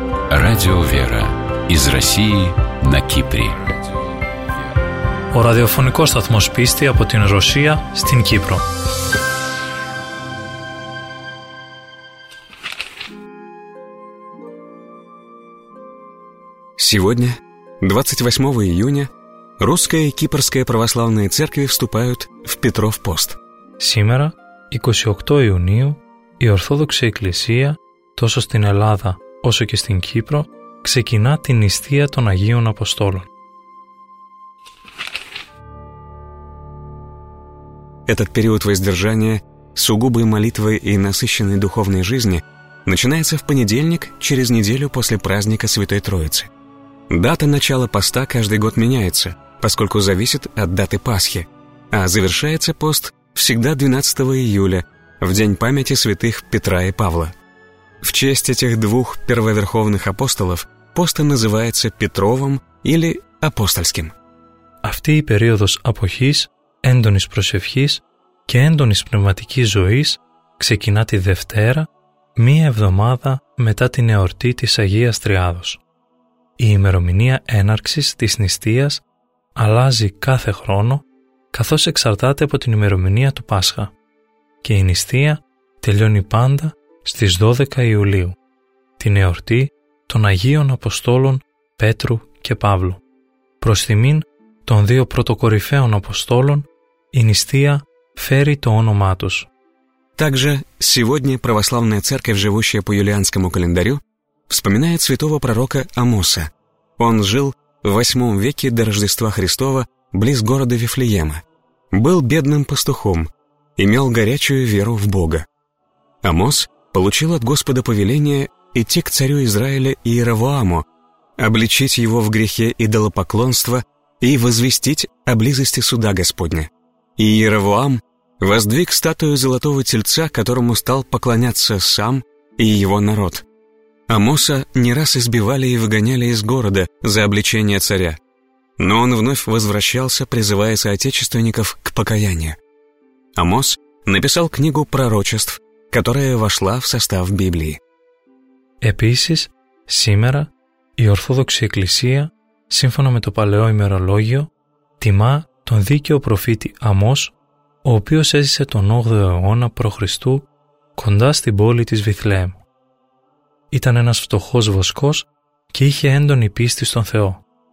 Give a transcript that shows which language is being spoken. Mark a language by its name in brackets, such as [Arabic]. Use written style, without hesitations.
[Russian] Радио «Вера» из России на Кипре. [Greek] Ο ραδιοφωνικός σταθμός πίστη από την Ρωσία στην Κύπρο. [Russian] Сегодня, 28 июня, Русская и Кипрская православные церкви вступают в Петров пост. Сегодня, 28 июня, [Greek] η Ορθόδοξη Εκκλησία, τόσο στην Ελλάδα όσο και στην Κύπρο, ξεκινά την νηστεία των Αγίων Αποστόλων. [Russian] Этот период воздержания, сугубой молитвы и насыщенной духовной жизни, начинается в понедельник, через неделю после праздника Святой Троицы. Дата начала поста каждый год меняется, поскольку зависит от даты Пасхи, а завершается пост всегда 12 июля, в день памяти святых Петра и Павла. В честь этих двух первоверховных апостолов пост называется Петровым или Апостольским. [Greek] Αυτή η περίοδος αποχής, έντονης προσευχής και έντονης πνευματικής ζωής ξεκινά τη Δευτέρα, μία εβδομάδα μετά την εορτή της Αγίας Τριάδος. Η ημερομηνία έναρξης της νηστείας αλλάζει κάθε χρόνο, καθώς εξαρτάται από την ημερομηνία του Πάσχα. Και η νηστεία τελειώνει πάντα στις 12 Ιουλίου, την εορτή των Αγίων Αποστόλων Πέτρου και Παύλου. Προς τιμήν των δύο πρωτοκορυφαίων Αποστόλων, η νηστεία φέρει το όνομά τους. [Russian] Также сегодня православная церковь, живущая по юлианскому календарю, вспоминает святого пророка Амоса. Он жил в 8 веке до Рождества Христова близ города Вифлеема. Был бедным пастухом, имел горячую веру в Бога. Амос получил от Господа повеление идти к царю Израиля Иеровоаму, обличить его в грехе идолопоклонства и возвестить о близости суда Господня. И Иеровоам воздвиг статую золотого тельца, которому стал поклоняться сам и его народ. Амоса не раз избивали и выгоняли из города за обличение царя. Но он вновь возвращался, призывая соотечественников к покаянию. Амос написал книгу пророчеств, которая вошла в состав Библии. [Greek] Επίσης, σήμερα η Ορθόδοξη Εκκλησία, σύμφωνα με το παλαιό ημερολόγιο, τιμά τον δίκαιο προφήτη Αμός, ο οποίος έζησε τον 8ο αιώνα π.Χ. κοντά στην πόλη της Βηθλεέμ. Ήταν ένας φτωχός βοσκός και είχε έντονη πίστη στον Θεό.